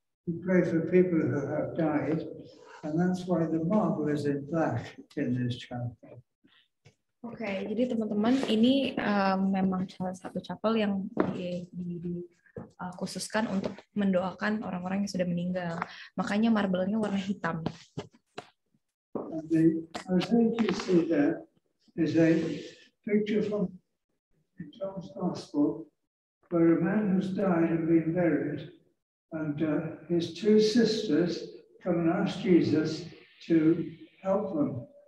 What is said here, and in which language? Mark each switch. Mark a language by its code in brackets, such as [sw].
[en] We pray for people who have died, and that's why the marble is in black in this chapel. [id] Okay, jadi teman-teman, ini memang salah satu chapel yang dikhususkan untuk mendoakan orang-orang yang sudah meninggal. Makanya marble-nya warna hitam. [en] And the thing you see there is a picture from John's Gospel, where a man has died and been buried, and his two sisters come and ask Jesus to help them.